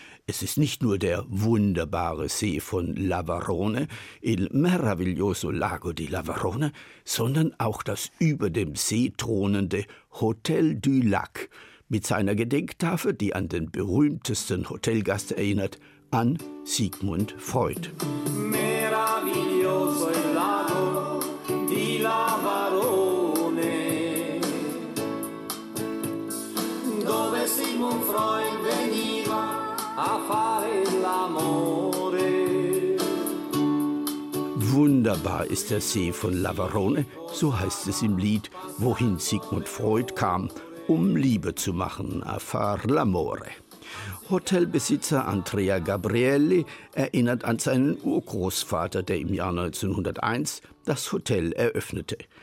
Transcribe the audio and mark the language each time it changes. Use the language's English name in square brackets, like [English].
[German] Es ist nicht nur der wunderbare See von Lavarone, [Italian] il meraviglioso Lago di Lavarone, [German] sondern auch das über dem See thronende Hotel du Lac mit seiner Gedenktafel, die an den berühmtesten Hotelgast erinnert, an Sigmund Freud. [Italian] Meraviglioso il Lago di Lavarone, dove Sigmund Freud veniva a fare l'amore. [German] Wunderbar ist der See von Lavarone, so heißt es im Lied, wohin Sigmund Freud kam, um Liebe zu machen, [Italian] a far l'amore. [German] Hotelbesitzer Andrea Gabrielli erinnert an seinen Urgroßvater, der im Jahr 1901 das Hotel eröffnete.